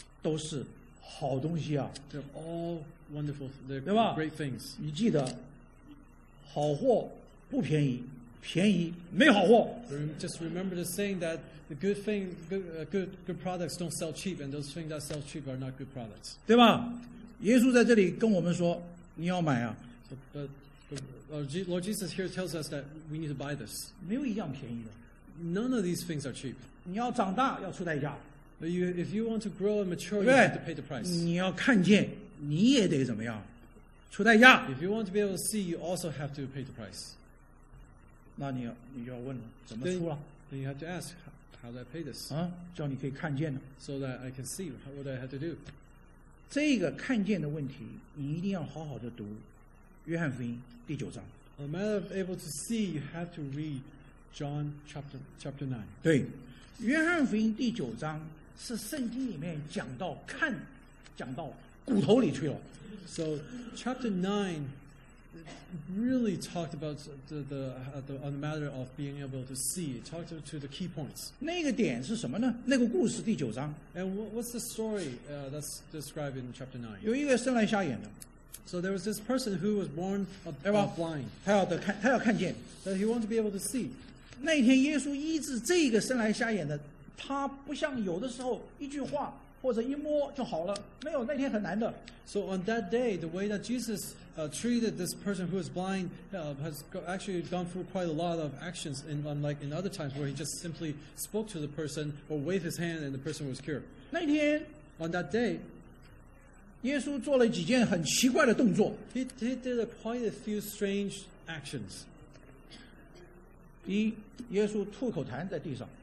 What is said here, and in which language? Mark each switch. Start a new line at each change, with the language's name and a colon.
Chinese: 都是好东西啊。
English: They're all wonderful. They're great things.
Chinese: 你记得。好货不便宜，便宜没好货。
English: Just remember the saying that the good products don't sell cheap, and those things that sell cheap are not good products.
Chinese: 对吧？耶稣在这里跟我们说，你要买啊。
English: But Lord Jesus here tells us that we need to buy this.
Chinese: 没有一样便宜的。
English: None of these things are cheap.
Chinese: 你要长大要出代价。
English: But if you want to grow and mature, you have to pay the price.
Chinese: 你要看见，你也得怎么样？出代价。
English: If you want to be able to see, you also have to pay the price.
Chinese: 那你就要问了，怎么出了
English: ？Then you have to ask, how do I pay this?
Chinese: 啊，叫你可以看见的。
English: So that I can see, what do I have to do?
Chinese: 这个看见的问题，你一定要好好的读约翰福音第九章。
English: A matter of able to see, you have to read John chapter 9.
Chinese: 对，约翰福音第九章是圣经里面讲到看，讲到骨头里去了。
English: So, chapter 9 really talked about the matter of being able to see. It talked to the key points.
Chinese: 那个点是什么呢？那个故事第九章。
English: And what's the story that's described in chapter 9?
Chinese: 有一个生来瞎眼的。
English: So there was this person who was born blind.
Chinese: 他要看见。
English: That he wanted to be able to see.
Chinese: 那一天耶稣医治这个生来瞎眼的，他不像有的时候一句话。或者一摸就好了，没有那天很难的。
English: So on that day, the way that Jesus treated this person who is blind has actually gone through quite a lot of actions, unlike in other times where he just simply spoke to the person or waved his hand and the person was cured.
Chinese: 那天
English: ，on that day,
Chinese: 耶稣做了几件很奇怪的动作。
English: He did quite a few strange actions.
Chinese: 第一，耶稣吐口痰在地上。